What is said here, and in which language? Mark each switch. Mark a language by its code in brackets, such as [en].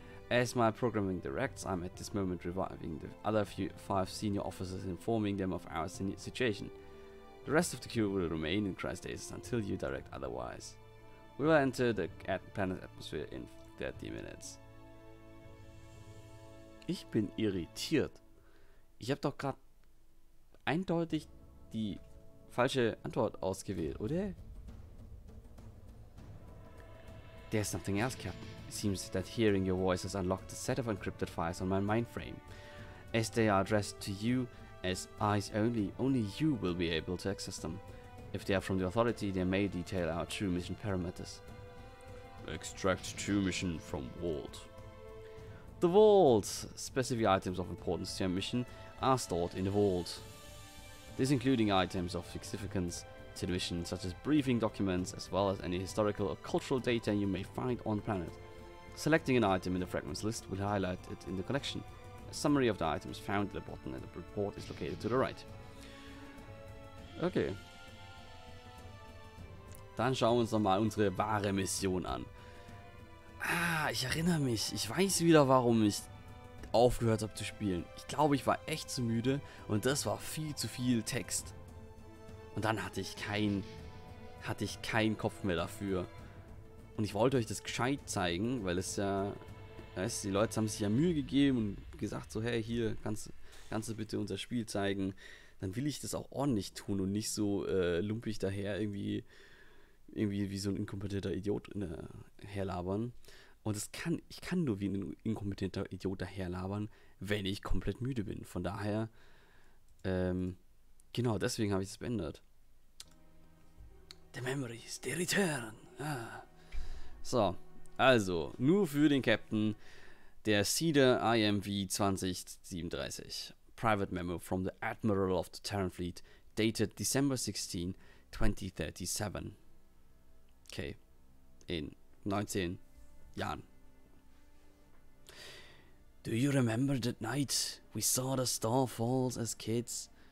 [en] As my programming directs, I'm at this moment reviving the other five senior officers, informing them of our situation. The rest of the crew will remain in cryostasis until you direct otherwise. We will enter the planet's atmosphere in 30 minutes. [de] Ich bin irritiert. Ich habe doch gerade eindeutig die falsche Antwort ausgewählt, oder? [en] There's something else, Captain. It seems that hearing your voice has unlocked a set of encrypted files on my mindframe. As they are addressed to you as eyes only, only you will be able to access them. If they are from the Authority, they may detail our true mission parameters. Extract true mission from Vault. The Vault! Specific items of importance to your mission are stored in the Vault. This including items of significance to the mission, such as briefing documents, as well as any historical or cultural data you may find on the planet. Selecting an item in the fragments list will highlight it in the collection. A summary of the items found at the bottom of the report is located to the right. Okay. [de] Dann schauen wir uns nochmal unsere wahre Mission an. Ah, ich erinnere mich. Ich weiß wieder, warum ich aufgehört habe zu spielen. Ich glaube, ich war echt zu müde und das war viel zu viel Text. Und dann hatte ich keinen Kopf mehr dafür. Und ich wollte euch das gescheit zeigen, weil es ja, weißt du, die Leute haben sich ja Mühe gegeben und gesagt so, hey, hier, kannst du bitte unser Spiel zeigen. Dann will ich das auch ordentlich tun und nicht so lumpig daher irgendwie wie so ein inkompetenter Idiot herlabern. Und ich kann nur wie ein inkompetenter Idiot daherlabern, wenn ich komplett müde bin. Von daher, genau deswegen habe ich es beendet. [en] The memories, the return. [de] So, also, nur für den Captain der Cedar IMV 2037. [en] Private Memo from the Admiral of the Terran Fleet, dated December 16, 2037. [de] Okay, in 19 Jahren. [en] Do you remember that night we saw the star falls as kids?